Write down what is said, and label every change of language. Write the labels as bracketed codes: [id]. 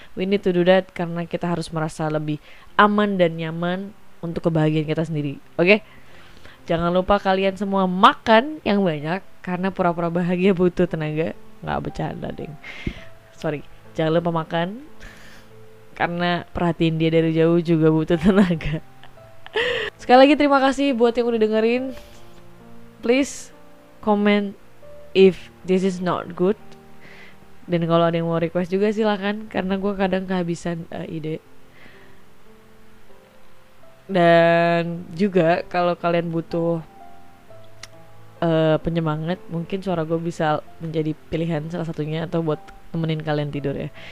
[en] We need to do that [id] karena kita harus merasa lebih aman dan nyaman untuk kebahagiaan kita sendiri. Oke? Jangan lupa kalian semua makan yang banyak karena pura-pura bahagia butuh tenaga. Gak bercanda, ding. [en] Sorry, [id] jangan lupa makan karena perhatiin dia dari jauh juga butuh tenaga. Sekali lagi terima kasih buat yang udah dengerin. [en] Please comment if this is not good. [id] Dan kalau ada yang mau request juga silakan, karena gue kadang kehabisan ide. Dan juga kalau kalian butuh penyemangat, mungkin suara gue bisa menjadi pilihan salah satunya, atau buat temenin kalian tidur ya.